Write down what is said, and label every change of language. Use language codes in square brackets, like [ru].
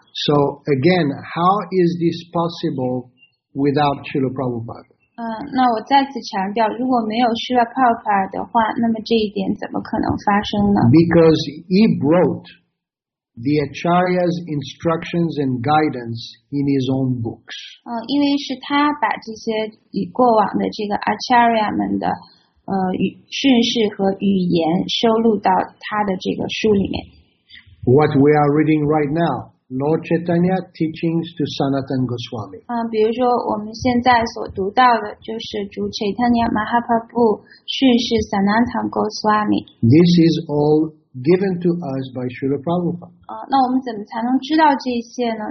[en] So again, how is this possible without Srila Prabhupada? [zh] 那我再次强调，如果没有 Srila Prabhupada 的话，那么这一点怎么可能发生呢？ [en] Because he wrote the Acharya's instructions and guidance in his own books. [zh] 因为是他把这些与过往的这个 Acharya 们的顺势和语言收录到他的这个书里面。 [en] What we are reading right now, Lord Chaitanya teachings to Sanatan Goswami. [zh] 比如说我们现在所读到的就是主 Chaitanya Mahaprabhu 顺势 Sanatan Goswami. [en] This is all given to us by Srila Prabhupada. [zh] 那我们怎么才能知道这些呢？